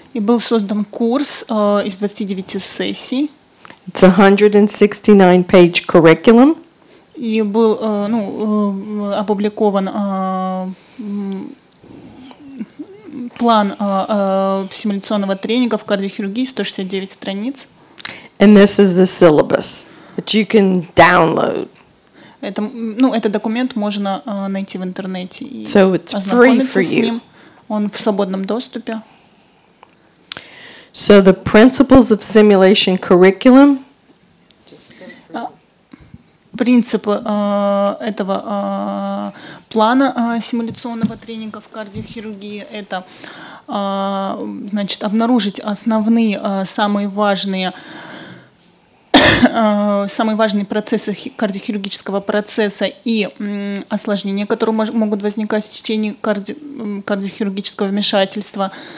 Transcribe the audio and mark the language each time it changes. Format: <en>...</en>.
<ru>И был создан курс из 29 сессий.</ru> <en>It's a 169-page curriculum.</en> <ru>И был опубликован план симуляционного тренинга в кардиохирургии, 169 страниц.</ru> <en>And this is the syllabus that you can download.</en> <ru>Это, ну, этот документ можно найти в интернете и</ru> <en>so it's free for you.</en> <ru>Он в свободном доступе.</ru> <en>So the principles of simulation curriculum.</en> <ru>Принципы этого плана симуляционного тренинга в кардиохирургии – это, значит, обнаружить основные, самые важные процессы кардиохирургического процесса и осложнения, которые могут возникать в течение кардиохирургического вмешательства,</ru>